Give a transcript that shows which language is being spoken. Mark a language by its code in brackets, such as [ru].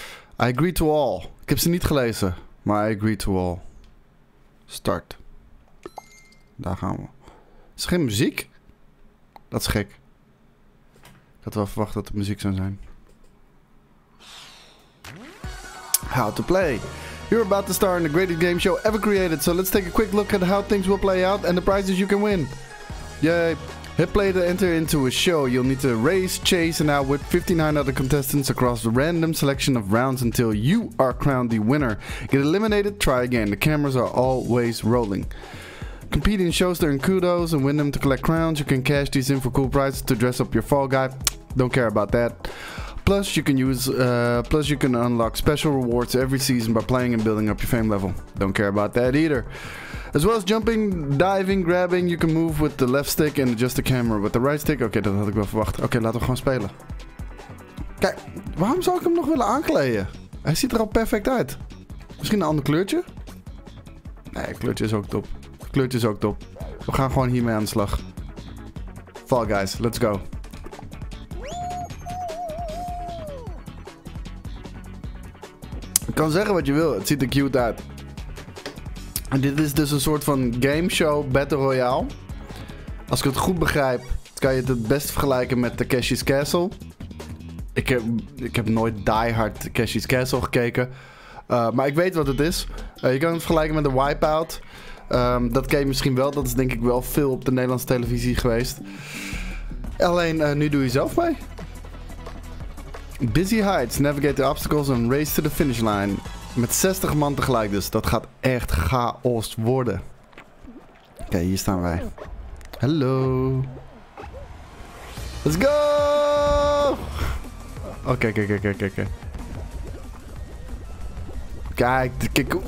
[en] I agree to all. [nl] Ik heb ze niet gelezen. Maar I agree to all. Start. Daar gaan we. Is er geen muziek? Dat is gek. Ik had wel verwacht dat er muziek zou zijn. [en] How to play. You're about to star in the greatest game show ever created. So let's take a quick look at how things will play out and the prizes you can win. Yay. Hit play to enter into a show. You'll need to race, chase and outwit 59 other contestants across a random selection of rounds until you are crowned the winner. Get eliminated, try again. The cameras are always rolling. Compete in shows to earn kudos and win them to collect crowns. You can cash these in for cool prizes to dress up your Fall Guy. Don't care about that. Plus, you can use. You can unlock special rewards every season by playing and building up your fame level. Don't care about that either. As well as jumping, diving, grabbing, you can move with the left stick and adjust the camera with the right stick. [nl] Okay, dat had ik wel verwacht. Okay, laten we gewoon spelen. Kijk, waarom zou ik hem nog willen aankleden? Hij ziet er al perfect uit. Misschien een ander kleurtje? Nee, kleurtje is ook top. Kleurtje is ook top. We gaan gewoon hiermee aan de slag. Fall Guys, [en] let's go. [nl] Je kan zeggen wat je wil, het ziet er cute uit. En dit is dus een soort van game show Battle Royale. Als ik het goed begrijp, kan je het best vergelijken met Takeshi's Castle. Ik heb nooit Die Hard Takeshi's Castle gekeken. Maar ik weet wat het is. Je kan het vergelijken met de Wipeout. Dat ken je misschien wel, dat is denk ik wel veel op de Nederlandse televisie geweest. Alleen, nu doe je zelf mee. [en] Busy Heights, navigate the obstacles and race to the finish line. [nl] Met 60 man tegelijk dus. Dat gaat echt chaos worden. Oké, hier staan wij. Hallo. [en] Let's go! [nl] Oké, kijk.